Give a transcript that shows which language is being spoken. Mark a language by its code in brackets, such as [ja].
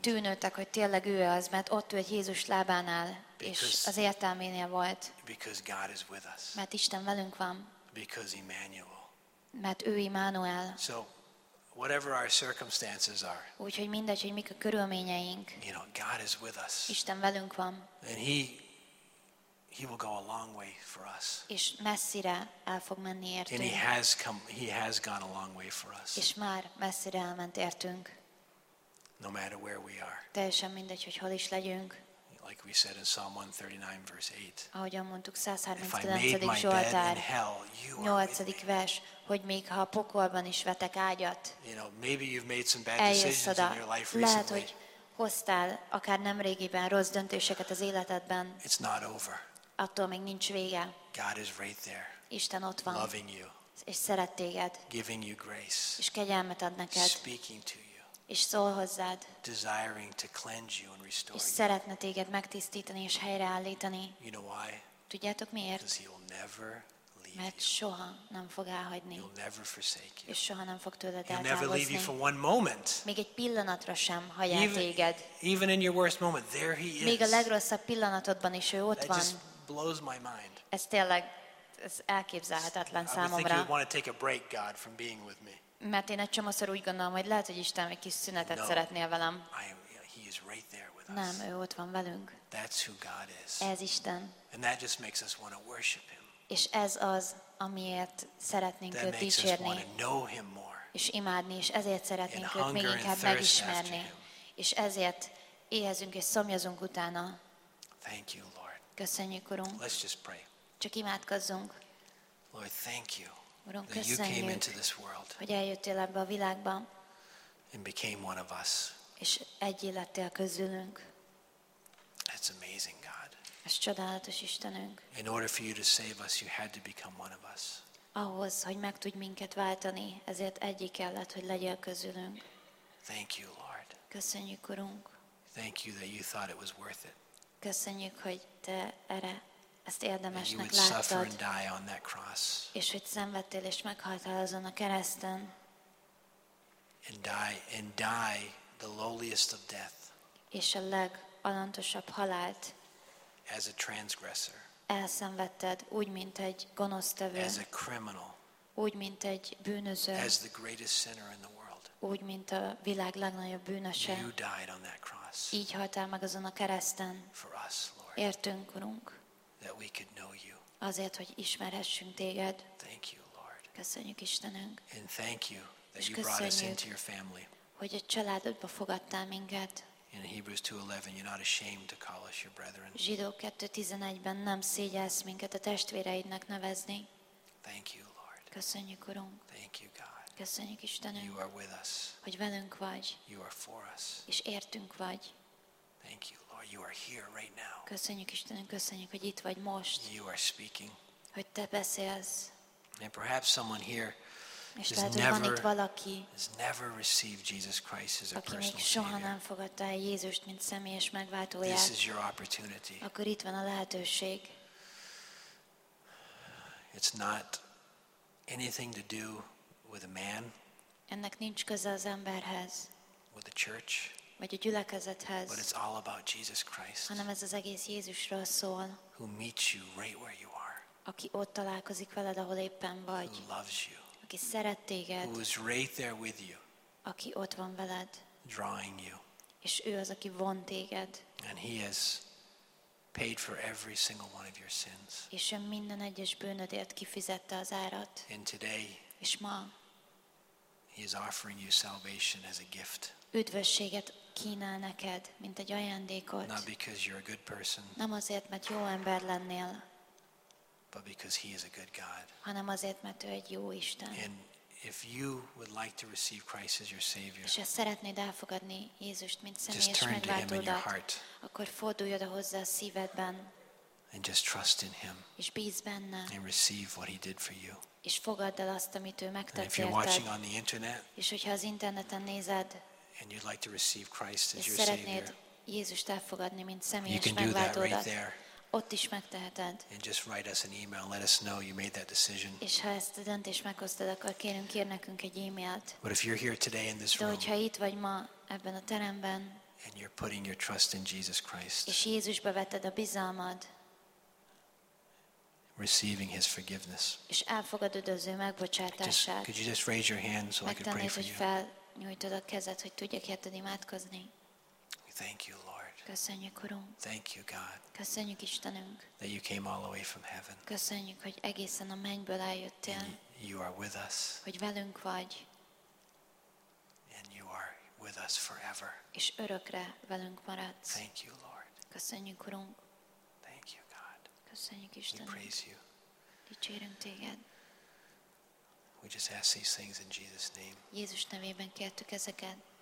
[hu] Tűnődtek, hogy tényleg ő az, mert ott ült Jézus lábánál, és az értelménél volt. [en] Because God is with us. [hu] Mert Isten velünk van. [en] Because Emmanuel. [hu] Mert ő Immanuel. [en] So, whatever our circumstances are. [hu] Úgyhogy mindegy, hogy mik a körülményeink. [en] You know, God is with us. [hu] Isten velünk van. [en] And he will go a long way for us. [hu] És messzire el fog menni értünk. [en] And he has gone a long way for us. [hu] És már messzire elment értünk. [en] No matter where we are. [hu] Teljesen mindegy, hogy hol is legyünk. [en] Like we said in Psalm 139 verse 8. [hu] Ahogyan mondtuk 139. Zsoltár 8. vers, hogy még ha a pokolban is vetek ágyat, [en] you know, maybe you've made some bad decisions in your life recently. [hu] Lehet, hogy hoztál akár nemrégiben rossz döntéseket az életedben. [en] It's not over. [hu] Attól még nincs vége. [en] God is right there. [hu] Isten ott van. [en] Loving you. [hu] És szeret téged. [en] Giving you grace. [hu] És kegyelmet ad neked. [en] Speaking to you. [hu] És szól hozzád. [en] Desiring to cleanse you and restore you. [hu] És szeretne téged megtisztítani és helyreállítani. [en] You know why? [hu] Tudjátok miért? [en] Because he'll never leave you. [hu] Mert soha nem fog elhagyni. [en] He'll never forsake you. [hu] És soha nem fog tőled eltávozni. [en] He'll never leave you for one moment. [hu] Még egy pillanatra sem hagy el téged. [en] Even in your worst moment, there he is. [hu] Még a legrosszabb pillanatodban is ő ott van. [en] Blows my mind. [hu] Ez tényleg, ez elképzelhetetlen számomra. [en] I think you want to take a break, God, from being with me. [hu] Mert én egy csomószor úgy gondolom, hogy lehet, hogy Isten egy kis szünetet no, szeretnél velem. [en] He is right there with us. [hu] Nem, ő ott van velünk. [en] That's who God is. [hu] Ez Isten. [en] And that just makes us want to worship him. [hu] És ez az, amiért szeretnénk őt dicsérni. [en] That makes us want to know him more. [hu] És imádni, és ezért szeretnénk őt még inkább [en] and [hu] megismerni. És ezért éhezünk és szomjazunk utána. [en] Thank you, Lord. [hu] Köszönjük, Urunk. [en] Let's just pray. [hu] Csak imádkozzunk. [en] Lord, thank you. [hu] Urunk, [en] that [hu] köszönjük, [en] you came into this world. [hu] Hogy eljöttél ebbe a világba. [en] And became one of us. [hu] És egyé lettél közülünk. [en] That's amazing, God. [hu] Ez csodálatos, Istenünk. [en] In order for you to save us, you had to become one of us. [hu] Ahhoz, hogy meg tudj minket váltani, ezért egyé kellett, hogy legyél közülünk. [en] Thank you, Lord. [hu] Köszönjük, Urunk. [en] Thank you that you thought it was worth it. [hu] Köszönjük, hogy te erre ezt érdemesnek láttad. És hogy szenvedtél és meghaltál azon a kereszten. [en] And die the lowliest of death. [hu] És a legalantosabb halált. [en] As a transgressor. [hu] Elszenvedted úgy, mint egy gonosztevő. [en] As a criminal. [hu] Úgy, mint egy bűnöző. [en] As the greatest sinner in the world. [hu] Úgy, mint a világ legnagyobb bűnöse. [en] You died on that cross. [hu] Így haltál meg azon a kereszten. [en] For us, Lord, [hu] értünk, Urunk. [en] That we could know you. [hu] Azért, hogy ismerhessünk téged. [en] Thank you, Lord. [hu] Köszönjük, Istenünk. [en] And thank you that you brought us into your family. [hu] Hogy a családodba fogadtál minket. [en] In Hebrews 2:11, you're not ashamed to call us your brethren. [hu] Zsidók 2:11-ben nem szégyelsz minket a testvéreidnek nevezni. [en] Thank you, Lord. [hu] Köszönjük, Urunk. [en] Thank you, God. [hu] Köszönjük, Istenünk, [en] you are with us. [hu] Hogy velünk vagy. [en] You are for us. [hu] És értünk vagy. [en] Thank you, Lord. You are here right now. [hu] Köszönjük, Istenünk, köszönjük, hogy itt vagy most. [en] You are speaking. [hu] Hogy te beszélsz. [en] And perhaps someone here [hu] és lehet, hogy van itt valaki, [en] has never received Jesus Christ as a [hu] aki [en] personal [hu] még soha [en] savior. [hu] Nem fogadta el Jézust, mint személyes megváltóját. [en] This is your opportunity. [hu] Akkor itt van a lehetőség. [en] It's not anything to do with a man. [hu] Ennek nincs köze az emberhez. [en] With the church. [hu] Vagy a gyülekezethez. [en] But it's all about Jesus Christ. [hu] Hanem ez az egész Jézusról szól. [en] Who meets you right where you are. [hu] Aki ott találkozik veled, ahol éppen vagy. [en] Who loves you. [hu] Aki szeret téged. [en] Who is right there with you. [hu] Aki ott van veled. [en] Drawing you. [hu] És ő az, aki von téged. [en] And he has paid for every single one of your sins. [hu] És ő minden egyes bűnödért kifizette az árat. [en] And today, [hu] és ma [en] he is offering you salvation as a gift. [hu] Üdvösséget kínál neked, mint egy ajándékot. [en] Not because you're a good person. [hu] Nem azért, mert jó ember lennél. [en] But because he is a good God. [hu] Hanem azért, mert ő egy jó Isten. [en] And if you would like to receive Christ as your savior. [hu] És ha szeretnéd elfogadni Jézust, mint személyes megváltódat, akkor fordulj oda hozzá a szívedben. [en] And just trust in him. [hu] És bíz benne. [en] And receive what he did for you. [hu] És fogadd el azt, amit ő megtett érted. [en] If you're watching on the internet, [hu] és hogyha az interneten nézed, [en] and you'd like to receive Christ as your [hu] szeretnéd [en] savior, [hu] Jézust elfogadni, mint személyes megváltódat, [en] right [hu] ott is megteheted. [en] And just write us an email, let us know you made that decision. [hu] És ha ezt a döntést meghoztad, akkor kérünk, ír nekünk egy e-mailt. [en] But if you're here today in this room, [hu] de hogyha itt vagy ma ebben a teremben, [en] and you're putting your trust in Jesus Christ, [hu] és Jézusba vetted a bizalmad, [en] receiving his forgiveness, [hu] és elfogadod az ő megbocsátását, [en] could you just raise your hand so I could pray for you? [hu] Felnyújtod a kezed, hogy tudjak érted imádkozni. [en] Thank you, Lord. [hu] Köszönjük, Urunk. [en] Thank you, God. [hu] Köszönjük, Istenünk. [en] That you came all the way from heaven. [hu] Köszönjük, hogy egészen a mennyből eljöttél. [en] You are with us. [hu] Hogy velünk vagy. [en] And you are with us forever. [hu] És örökre velünk maradsz. [en] Thank you, Lord. [hu] Köszönjük, Urunk. [en] Thank you, God. [hu] Köszönjük, Istenünk. [en] We praise you. [hu] Dicsérünk téged. [en] We just ask these things in Jesus' name. [hu] Jézus nevében kértük ezeket.